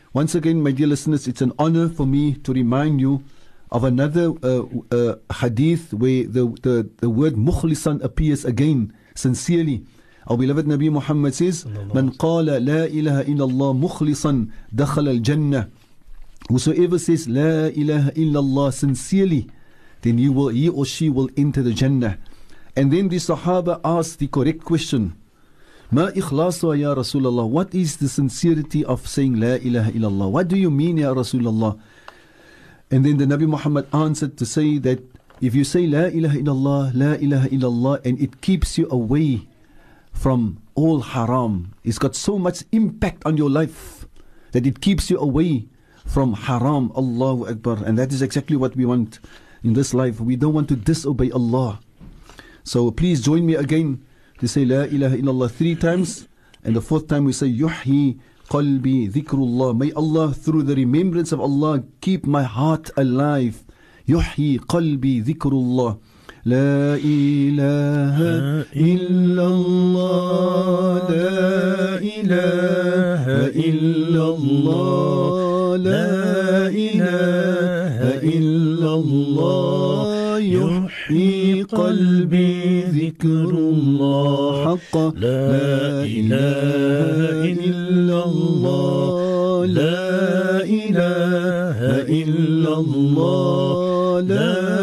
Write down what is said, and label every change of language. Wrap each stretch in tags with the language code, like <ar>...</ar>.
<en>Once again, my dear listeners, it's an honor for me to remind you of another hadith where the word mukhlisan appears again, sincerely. Our beloved Nabi Muhammad says,</en> <ar>من قال لا إله إلا الله مخلصاً دخل الجنة.</ar> <en>Whosoever says</en> <ar>لا إله إلا الله</ar> <en>sincerely, then he or she will enter the Jannah. And then the Sahaba asked the correct question.</en> <ar>Ma ikhlasa ya Rasulullah.</ar> <en>What is the sincerity of saying La ilaha illallah? What do you mean, ya Rasulullah? And then the Nabi Muhammad answered to say that if you say</en> <ar>La ilaha illallah, La ilaha illallah,</ar> <en>and it keeps you away from all haram, it's got so much impact on your life that it keeps you away from haram. Allahu Akbar. And that is exactly what we want in this life. We don't want to disobey Allah. So please join me again to say</en> <ar>La ilaha illallah</ar> <en>3 times. And the 4th time we say</en> <ar>Yuhyi qalbi dhikrullah.</ar> <en>May Allah, through the remembrance of Allah, keep my heart alive. Yuhyi qalbi dhikrullah.</en> <ar>لا إله إلا الله لا إله إلا الله لا إله إلا الله يحيي قلبي ذكر الله حقا لا إله إلا الله لا إله إلا الله لا</ar>